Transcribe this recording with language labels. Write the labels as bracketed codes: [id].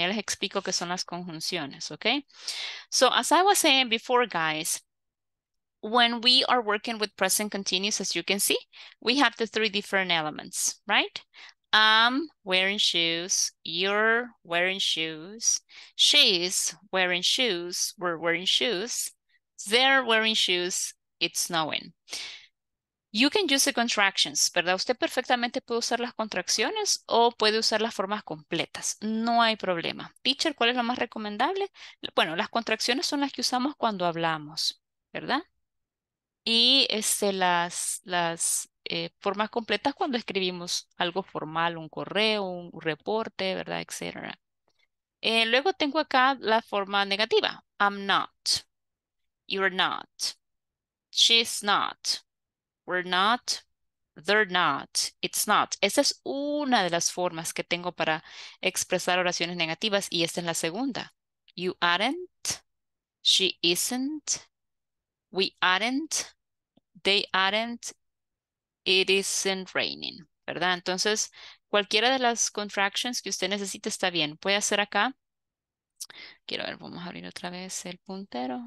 [es] Ya les explico qué son las conjunciones, okay? [en] So as I was saying before, guys, when we are working with present continuous, as you can see, we have the three different elements, right? I'm wearing shoes, you're wearing shoes, she's wearing shoes, we're wearing shoes, they're wearing shoes, it's snowing. You can use the contractions, ¿verdad? [es] Usted perfectamente puede usar las contracciones o puede usar las formas completas. No hay problema. Teacher, ¿cuál es lo más recomendable? Bueno, las contracciones son las que usamos cuando hablamos, ¿verdad? Y las formas completas cuando escribimos algo formal, un correo, un reporte, ¿verdad? Etcétera. Luego tengo acá la forma negativa. [en] I'm not. You're not. She's not. We're not. They're not. It's not. [es] Esa es una de las formas que tengo para expresar oraciones negativas y esta es la segunda. [en] You aren't, she isn't, we aren't, they aren't, it isn't raining, ¿verdad? [es] Entonces, cualquiera de las contractions que usted necesite está bien. Puede hacer acá. Quiero ver, vamos a abrir otra vez el puntero.